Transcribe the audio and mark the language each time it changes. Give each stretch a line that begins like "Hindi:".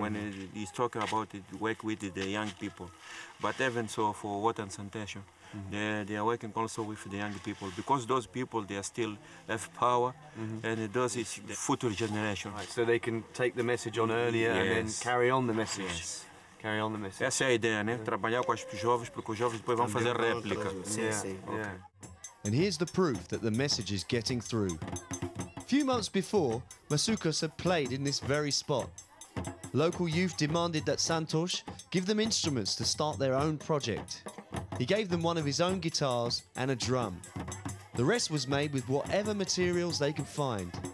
English: When he's talking about it, work with the young people. But even so for water and sanitation. Mm-hmm. They are working also with the young people because those people, they are still have power, mm-hmm. and those is the future generation. Right, so they can take the message on earlier, yes. and then carry on the message. Yes. Carry on the message.
Portuguese: Essa é a ideia, né? Trabalhar com as jovens, porque os jovens depois vão fazer réplica. Sim,
English: yeah.
Portuguese: sim.
English: Okay. And here's the proof that the message is getting through. A few months before, Massoukos had played in this very spot. Local youth demanded that Santos give them instruments to start their own project. He gave them one of his own guitars and a drum. The rest was made with whatever materials they could find.